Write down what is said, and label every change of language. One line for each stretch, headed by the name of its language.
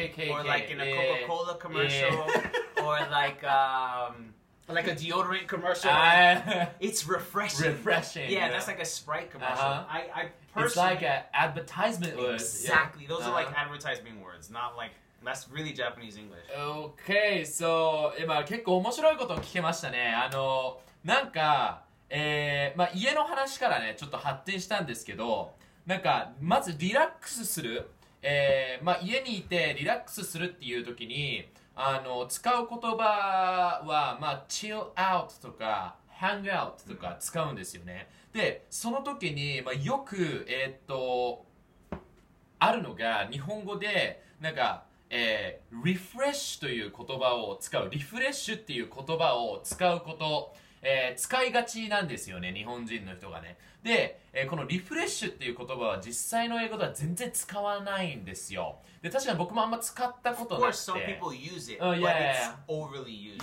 English: Or like in a Coca-Cola commercial or like a deodorant commercial. It's refreshing. Refreshing. Yeah, that's like a Sprite commercial. Personally, it's like an advertisement word. Exactly. Yeah. Those are like advertisement words, not like that's really Japanese English. Okay, so
Japanese: 今結構面白いことを聞けましたね。あのなんか、まあ、家の話からねちょっと発展したんですけど、なんかまずリラックスする、まあ、家にいてリラックスするっていう時にあの使う言葉はまあ chill out とか hang out とか使うんですよね。でその時に、まあ、よく、あるのが日本語でなんか、refresh という言葉を使う、refresh っていう言葉を使うこと、使いがちなんですよね、日本人の人がね。で、この refresh っていう言葉は実際の英語では全然使わないんですよ。で確かに僕もあんま使ったことなくて。
English: Of course some people use it, but it's overly used.